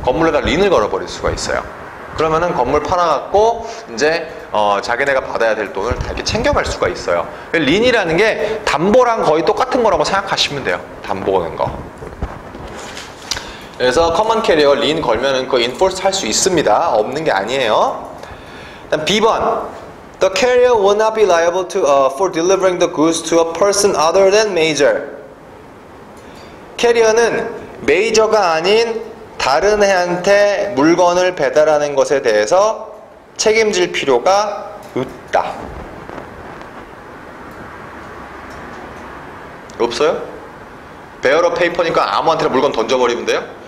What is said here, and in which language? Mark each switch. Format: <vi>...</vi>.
<ko>건물에다 린을 걸어버릴 수가 있어요. 그러면은 건물 팔아갖고 이제 자기네가 받아야 될 돈을 다 이렇게 챙겨갈 수가 있어요. 린이라는 게 담보랑 거의 똑같은 거라고 생각하시면 돼요. 담보는 거. 그래서 커먼 캐리어 린 걸면은 그 인포스 할 수 있습니다. 없는 게 아니에요. 그다음 B번.</ko> <en>The carrier will not be liable to for delivering the goods to a person other than major.</en> <ko>캐리어는 메이저가 아닌 다른 애한테 물건을 배달하는 것에 대해서 책임질 필요가 없다. 없어요? 베어 오브 페이퍼니까 아무한테나 물건 던져버리면 돼요?</ko>